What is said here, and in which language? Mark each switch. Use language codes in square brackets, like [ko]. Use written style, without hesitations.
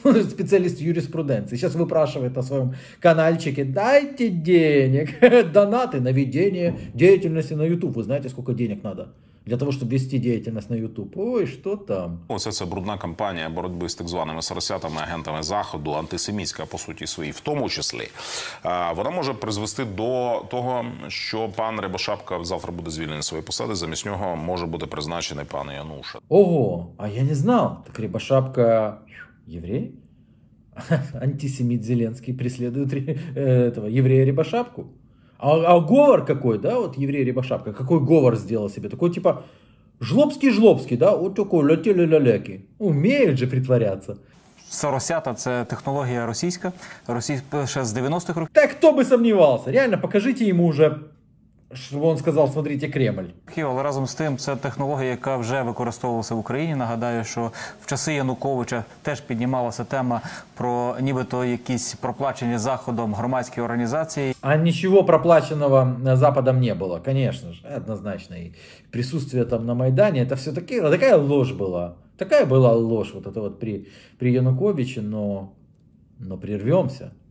[ru] Специалист юриспруденции сейчас выпрашивает на своем каналчике: дайте денег, донаты на ведение деятельности на YouTube. Вы знаете, сколько денег надо для того, чтобы вести деятельность на YouTube? Ой, что там? [uk] Ось це брудна кампанія боротьби з так званими соросятами, агентами Заходу, антисемітська, по суті, свої, в тому числі. Вона може призвести до того, що пан Рябошапка завтра буде звільнений з своєї посади, замість нього може бути призначений пан Януша. [ru] Ого, а я не знав. Так Рябошапка... Еврей? Антисемит Зеленский преследует этого еврея Рябошапку? А говор какой, да, вот еврей Рябошапка? Какой говор сделал себе? Такой типа жлобский-жлобский, да? Вот такой ля-ля-ля-ля-ки. Умеют же притворяться. [uk] Соросята – це технологія російська. Ще з 90-х років. Так хто би сумнівався? Реально, покажіть йому вже... Він сказав, [ru] смотрите, Кремль. [uk] Але разом з тим, це технологія, яка вже використовувалася в Україні. Нагадаю, що в часи Януковича теж піднімалася тема про нібито якісь проплачені Заходом громадські організації. А нічого проплаченого Западом не було, звісно ж, однозначно. І присутствие там на Майдані, це все таке, така лож була. Така була лож, [ru] вот это вот при Януковичі, но прервемся.